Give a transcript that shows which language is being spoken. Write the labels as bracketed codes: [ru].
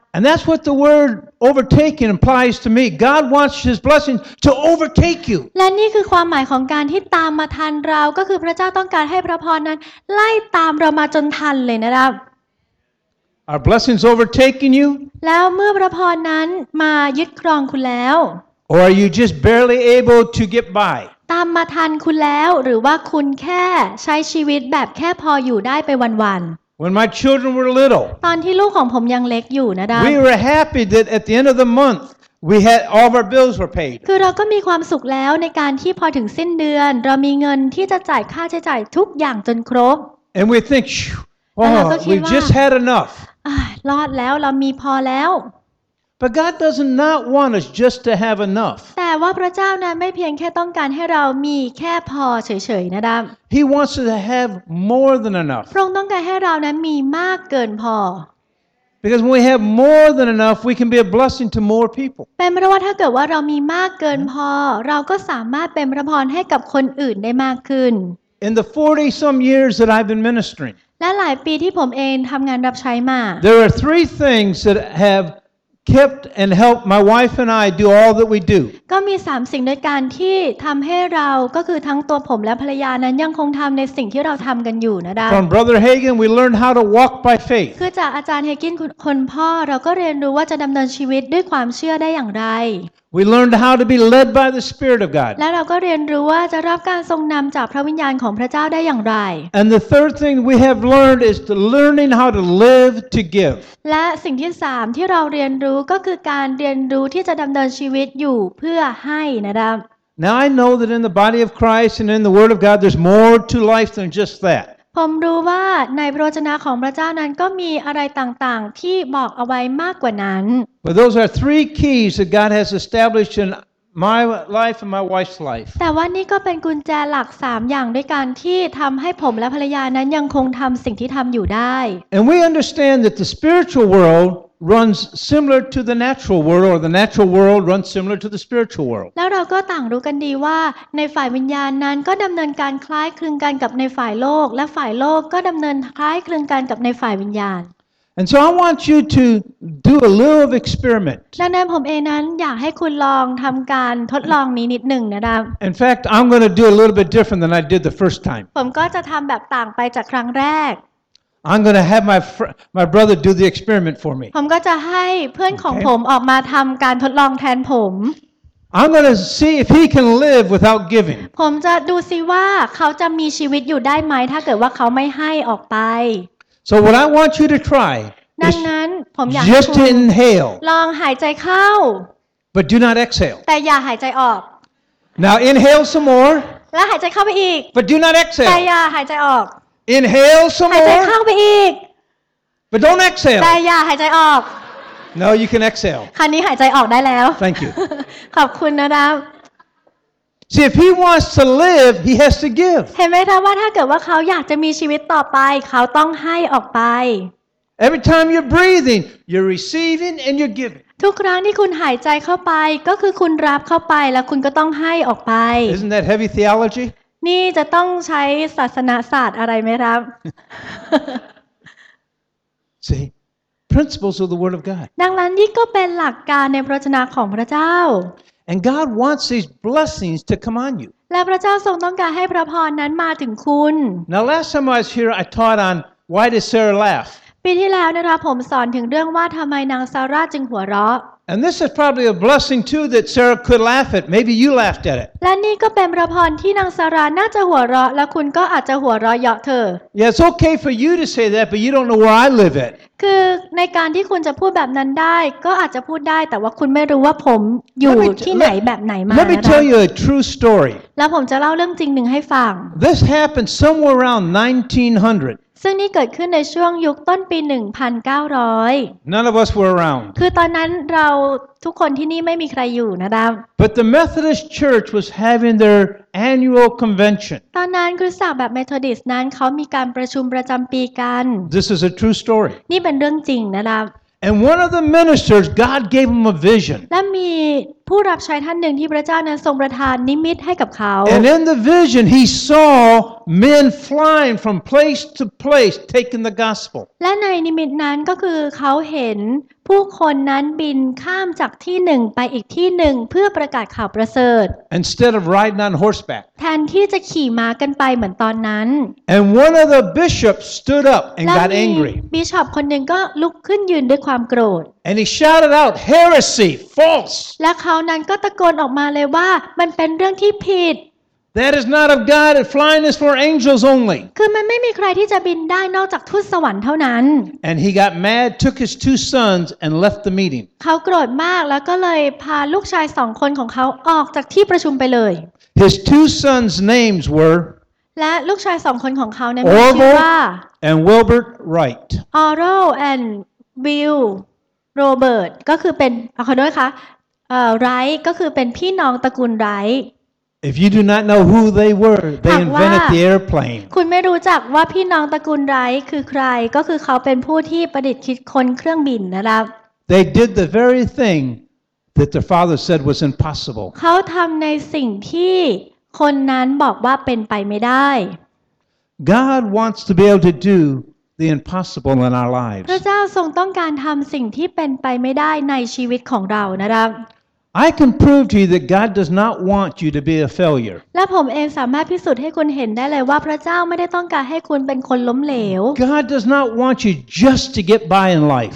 [en] And that's what the word overtaken implies to me. God wants His blessing to overtake you. [th] และนี่คือความหมายของการที่ตามมาทันเราก็คือพระเจ้าต้องการให้พระพรนั้นไล่ตามเรามาจนทันเลยนะครับ [en] Our blessings overtaking you? [th] แล้วเมื่อพระพรนั้นมายึดครองคุณแล้ว [en] Or are you just barely able to get by? [th] ตามมาทันคุณแล้วหรือว่าคุณแค่ใช้ชีวิตแบบแค่พออยู่ได้ไปวัน [en] ๆ When my children were little [th] ตอนที่ลูกของผมยังเล็กอยู่นะครับ [en] We were happy that at the end of the month we had all of our bills were paid [th] คือเราก็มีความสุขแล้วในการที่พอถึงสิ้นเดือนเรามีเงินที่จะจ่ายค่าใช้จ่ายทุกอย่างจนครบ [en] And we think oh we just had enough [th] รอดแล้วเรามีพอแล้ว [en] But God does not want us just to have enough [th] แต่ว่าพระเจ้านั้นไม่เพียงแค่ต้องการให้เรามีแค่พอเฉยๆนะครับ [en] He wants us to have more than enough [th] พระองค์ต้องการให้เรานั้นมีมากเกินพอ [en] Because when we have more than enough we can be a blessing to more people [th] แปลว่าถ้าเกิดว่าเรามีมากเกินพอเราก็สามารถเป็นพระพรให้กับคนอื่นได้มากขึ้น [en] In the 40 some years that I've been ministering [th] และหลายปีที่ผมเองทำงานรับใช้มา [en] There are three things that have kept and helped my wife and I do all that we do [th] ก็มี3สิ่งด้วยกันที่ทำให้เราก็คือทั้งตัวผมและภรรยานั้นยังคงทำในสิ่งที่เราทำกันอยู่นะครับ [en] From Brother Hagin we learned how to walk by faith [th] คือจากอาจารย์เฮกินคนพ่อเราก็เรียนรู้ว่าจะดำเนินชีวิตด้วยความเชื่อได้อย่างไร [en] We learned how to be led by the Spirit of God [th] และเราก็เรียนรู้ว่าจะรับการทรงนำจากพระวิญญาณของพระเจ้าได้อย่างไร [en] And the third thing we have learned is to learning how to live to give [th] และสิ่งที่3ที่เราเรียนรู้ก็คือการเรียนรู้ที่จะดำเนินชีวิตอยู่เพื่อให้นะครับ [en] Now I know that in the body of Christ and in the Word of God there's more to life than just that [th] เ ผมรู้ว่าในพระวจนะของพระเจ้านั้นก็มีอะไรต่างๆที่บอกเอาไว้มากกว่านั้น [en] But those are three keys that God has established in my life and my wife's life. [th] แต่ว่านี่ก็เป็นกุญแจหลัก3อย่างด้วยกันที่ทำให้ผมและภรรยานั้นยังคงทำสิ่งที่ทำอยู่ได้ [en] And we understand that the spiritual worldruns similar to the natural world or the natural world runs similar to the spiritual world [th] แล้วเราก็ต่างรู้กันดีว่าในฝ่ายวิญญาณนั้นก็ดําเนินการคล้ายคลึงกันกับในฝ่ายโลกและฝ่ายโลกก็ดําเนินคล้ายคลึงกันกับในฝ่ายวิญญาณ [en] And so I want you to do a little of experiment [th] ดังนั้นผมเองนั้นอยากให้คุณลองทําการทดลองนี้นิดนึงนะครับ [en] In fact I'm going to do a little bit different than I did the first time [th] ผมก็จะทําแบบต่างไปจากครั้งแรก [en] I'm going to have my brother do the experiment for me. [th] ผมก็จะให้เพื่อนของผมออกมาทำการทดลองแทนผม [en] I'm going to see if he can live without giving. [th] ผมจะดูซิว่าเขาจะมีชีวิตอยู่ได้ไหมถ้าเกิดว่าเขาไม่ให้ออกไป [en] So what I want you to try [th] ดังนั้นผมอยาก จะ [en] just inhale. [th] ลองหายใจเข้า [en] But do not exhale. [th] แต่อย่าหายใจออก [en] Now inhale some more. [th] แล้วหายใจเข้าไปอีก [en] But do not exhale. [th] แต่อย่าหายใจออก [en] Inhale some more. [th] หายใจเข้าไปอีก [en] But don't exhale. [th] แต่อย่าหายใจออก [en] No, you can exhale. [th] คราวนี้หายใจออกได้แล้ว [en] Thank you. [th] ขอบคุณนะครับ [en] See, if he wants to live, he has to give. [th] เห็นไหมครับว่าถ้าเกิดว่าเขาอยากจะมีชีวิตต่อไปเขาต้องให้ออกไป [en] Every time you're breathing, you're receiving and you're giving. [th] ทุกครั้งที่คุณหายใจเข้าไปก็คือคุณรับเข้าไปแล้วคุณก็ต้องให้ออกไป [en] Isn't that heavy theology? [th] นี่จะต้องใช้ศาสนาศาสตร์อะไรไหมครับ [en] See principles of the word of God [th] ดังนั้นนี่ก็เป็นหลักการในพระวจนะของพระเจ้า [en] And God wants these blessings to come on you [th] และพระเจ้าทรงต้องการให้พระพรนั้นมาถึงคุณ [en] Now last time I was here I taught on why does Sarah laugh [th] ปีที่แล้วนะครับผมสอนถึงเรื่องว่าทำไมนางซาร่าจึงหัวเราะ [en] And this is probably a blessing too that Sarah could laugh at. Maybe you laughed at it. [th] และนี่ก็เป็นพระพรที่นางซาร่าน่าจะหัวเราะและคุณก็อาจจะหัวเราะเยาะเธอ [en] Yeah, it's okay for you to say that, but you don't know where I live at. [th] คือในการที่คุณจะพูดแบบนั้นได้ก็อาจจะพูดได้แต่ว่าคุณไม่รู้ว่าผมอยู่ที่ไหนแบบไหนมานะ [en] Let me tell you a true story. [th] แล้วผมจะเล่าเรื่องจริงหนึ่งให้ฟัง [en] This happened somewhere around 1900. [th] ซึ่งนี่เกิดขึ้นในช่วงยุคต้นปี1900. [en] None of us were around. [th] คือตอนนั้นเราทุกคนที่นี่ไม่มีใครอยู่นะครับ [en] But the Methodist Church was having their annual convention. [th] ตอนนั้นคริสตจักรแบบเมทอดิสต์นั้นเขามีการประชุมประจำปีกัน [en] This is a true story. [th] นี่เป็นเรื่องจริงนะครับ [en] And one of the ministers, God gave him a vision. [th] และมีผู้รับใช้ท่านหนึ่งที่พระเจ้านั้นทรงประทานนิมิตให้กับเขา [en] And in the vision, he saw men flying from place to place, taking the gospel. [th] และในนิมิตนั้นก็คือเขาเห็นผู้คนนั้นบินข้ามจากที่หนึ่งไปอีกที่หนึ่งเพื่อประกาศข่าวประเสริฐ [en] Instead of riding on horseback. [th] แทนที่จะขี่ม้ากันไปเหมือนตอนนั้น [en] And one of the bishops stood up and got angry. [th] บิชอปคนหนึ่งก็ลุกขึ้นยืนด้วยความโกรธ [en] And he shouted out, "Heresy, false!" [th] และเขานั้นก็ตะโกนออกมาเลยว่ามันเป็นเรื่องที่ผิด [en] That is not of God. Flying is for angels only. [th] คือมันไม่มีใครที่จะบินได้นอกจากทูตสวรรค์เท่านั้น [en] And he got mad, took his two sons, and left the meeting. [th] เขาโกรธมากแล้วก็เลยพาลูกชายสองคนของเขาออกจากที่ประชุมไปเลย [en] His two sons' names were [th] และลูกชายสองคนของเขาเนี่ยมีชื่อว่า [en] and Wilbert Wright. Otto and Bill. [th] โรเบิร์ตก็คือเป็นขอโทษค่ะไรท์ก็คือเป็นพี่น้องตระกูลไรท์ [en] If you do not know who they were they invented the airplane [th] คุณไม่รู้จักว่าพี่น้องตระกูลไรท์คือใครก็คือเขาเป็นผู้ที่ประดิษฐ์คิดค้นเครื่องบินนะครับ [en] They did the very thing that their father said was impossible [th] เขาทำในสิ่งที่คนนั้นบอกว่าเป็นไปไม่ได้ [en] God wants to be able to doThe impossible in our lives. [th] พระเจ้าทรงต้องการทำสิ่งที่เป็นไปไม่ได้ในชีวิตของเรานะครับ [en] I can prove to you that God does not want you to be a failure. [th] และผมเองสามารถพิสูจน์ให้คุณเห็นได้เลยว่าพระเจ้าไม่ได้ต้องการให้คุณเป็นคนล้มเหลว [en] God does not want you just to get by in life.